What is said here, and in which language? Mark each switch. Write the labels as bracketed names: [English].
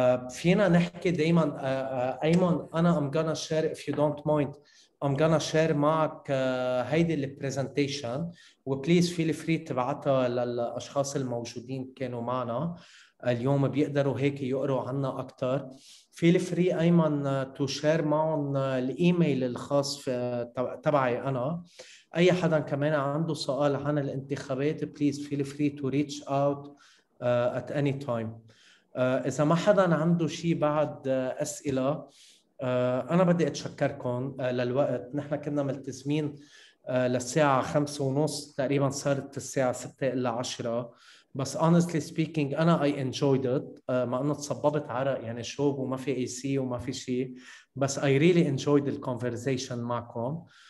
[Arabic] فينا نحكي دايماً أيمن، أنا [English] I'm gonna share if you don't mind، I'm gonna share [Arabic] معك هيدي البرزنتيشن، وبليز [English] feel free [Arabic] تبعتها للأشخاص الموجودين كانوا معنا اليوم بيقدروا هيك يقروا عنا أكتر. [English] feel free [Arabic] أيمن [English] to share [Arabic] معهم الإيميل الخاص تبعي أنا. [English] أي حدا كمان عنده سؤال عن الانتخابات please feel free to reach out at any time. [Arabic] إذا ما حدا عنده شيء بعد أسئلة، أنا بدي أتشكركم للوقت. نحن كنا ملتزمين للساعة 5:30 تقريبا، صارت الساعة 6:50، بس [English] honestly speaking [Arabic] أنا [English] I enjoyed it، [Arabic] مع أنه تصببت عرق يعني شوب وما في AC وما في شيء، بس [English] I really enjoyed the conversation [Arabic] معكم.